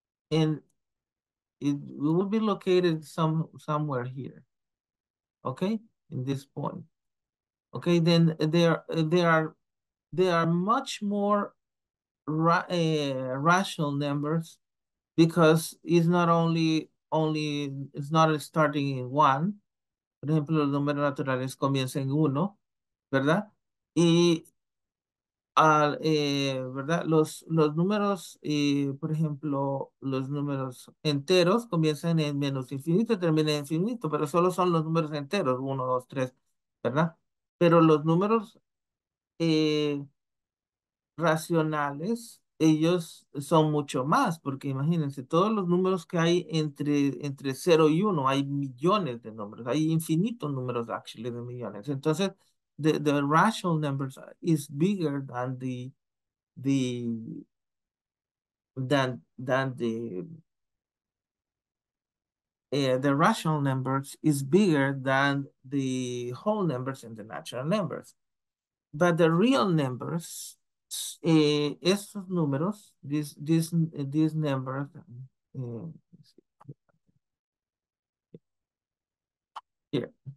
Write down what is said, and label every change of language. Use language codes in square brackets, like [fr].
[en] And it will be located somewhere here, okay, in this point. Okay, then there are much more rational numbers because it's not only it's not starting in one. [es] Por ejemplo, los números naturales comienzan en uno, ¿verdad? Y ¿verdad? Los números, por ejemplo, los números enteros comienzan en menos infinito y terminan en infinito, pero solo son los números enteros, 1, 2, 3, ¿verdad? Pero los números racionales, ellos son mucho más, porque imagínense, todos los números que hay entre 0 y 1, hay millones de números, hay infinitos números, actually, de millones. [en] Entonces, the rational numbers is bigger than the rational numbers is bigger than the whole numbers and the natural numbers, but the real numbers, [es] estos números, [en] these numbers, here.